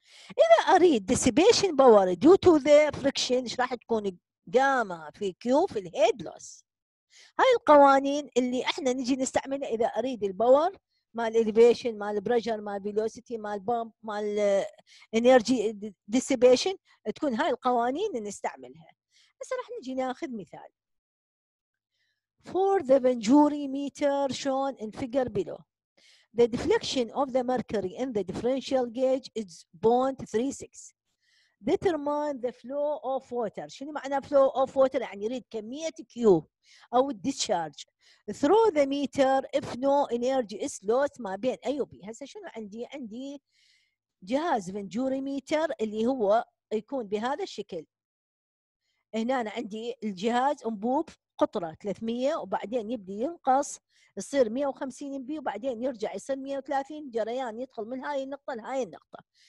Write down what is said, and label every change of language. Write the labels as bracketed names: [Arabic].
[Arabic] إذا أريد [English] dissipation power due to the friction [Arabic] راح تكون جاما في كيو في الهيد لوس. هاي القوانين اللي احنا نجي نستعملها إذا أريد الباور مال الاليفيشن مال البريشر مال فيلوسيتي مال بامب مال انرجي ديسيبيشن، تكون هاي القوانين اللي نستعملها. هسه راح نجي ناخذ مثال [English] For the venturi meter shown in figure below. The deflection of the mercury in the differential gauge is 0.36. Determine the flow of water. [Arabic] شنو معنى [English] flow of water؟ [Arabic] يعني يريد كمية Q أو [English] discharge through the meter if no energy is lost [Arabic] ما بين A و B. هسا شنو عندي؟ عندي جهاز venturi meter اللي هو يكون بهذا الشكل. هنا أنا عندي الجهاز أنبوب قطرة 300 وبعدين يبدي ينقص يصير 150 مبي وبعدين يرجع يصير 130، جريان يدخل من هاي النقطة لهاي النقطة.